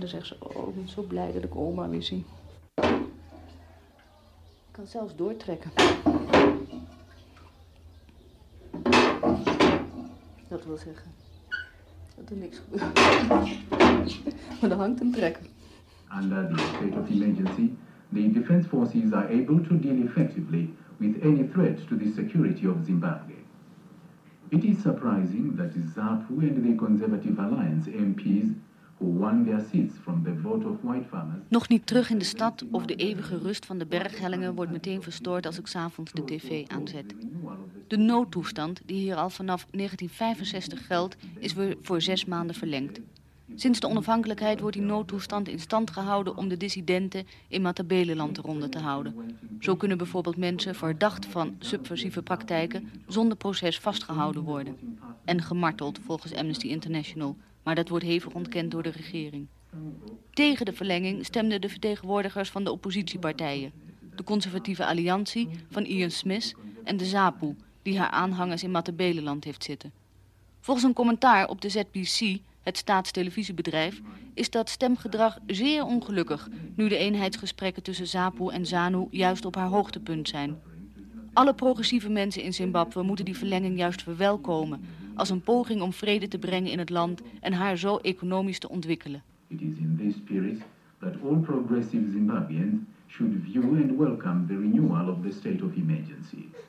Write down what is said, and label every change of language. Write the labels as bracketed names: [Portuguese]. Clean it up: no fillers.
[Dutch] Dan zegt ze, oh, ik ben zo blij dat ik oma weer zie. Ik kan zelfs doortrekken. Dat wil zeggen dat er niks gebeurt. Maar er hangt een trekker. [English] Under the state of emergency, the defense forces are able to deal effectively with any threat to the security of Zimbabwe. It is surprising that ZAPU and the Conservative Alliance MPs, who won their seats from the vote of white farmers... [Dutch] Nog niet terug in de stad of de eeuwige rust van de berghellingen wordt meteen verstoord als ik 's avonds de tv aanzet. De noodtoestand, die hier al vanaf 1965 geldt, is weer voor 6 maanden verlengd. Sinds de onafhankelijkheid wordt die noodtoestand in stand gehouden om de dissidenten in Matabeleland te ronden te houden. Zo kunnen bijvoorbeeld mensen verdacht van subversieve praktijken zonder proces vastgehouden worden. En gemarteld volgens Amnesty International, maar dat wordt hevig ontkend door de regering. Tegen de verlenging stemden de vertegenwoordigers van de oppositiepartijen. De Conservatieve Alliantie van Ian Smith en de ZAPU, die haar aanhangers in Matabeleland heeft zitten. Volgens een commentaar op de ZBC... het staatstelevisiebedrijf, is dat stemgedrag zeer ongelukkig nu de eenheidsgesprekken tussen ZAPU en ZANU juist op haar hoogtepunt zijn. Alle progressieve mensen in Zimbabwe moeten die verlenging juist verwelkomen als een poging om vrede te brengen in het land en haar zo economisch te ontwikkelen. [English] It is in this spirit that all progressive Zimbabweans should view and welcome the renewal of the state of emergency.